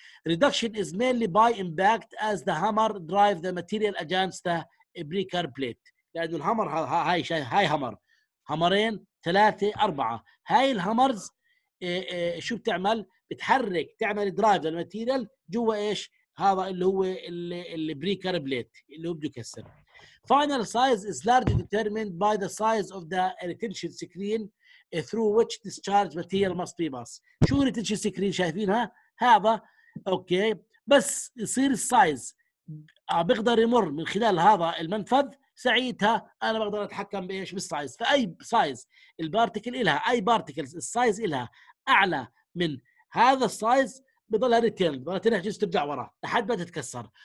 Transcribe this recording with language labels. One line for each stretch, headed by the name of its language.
English: Reduction is mainly by impact as the hammer drive the material against the breaker plate.
Arabic: لأن الهامر هاي شيء، هاي هامر، هامرين ثلاثة أربعة، هاي الهامرز شو بتعمل؟ بتحرك، تعمل درايف للماتيريال جوا إيش هذا اللي هو اللي بريكر بليت اللي هو بده يكسر.
English: Final size is largely determined by the size of the retention screen through which discharge material must be passed.
Arabic: شو retention screen شايفينها؟ هذا اوكي، بس يصير السايز بقدر يمر من خلال هذا المنفذ، ساعتها انا بقدر اتحكم بايش بالسايز. فاي سايز البارتكل الها، اي بارتكلز السايز الها اعلى من هذا السايز بضلها ريتيند، ما تنحجز ترجع ورا لحد ما تتكسر.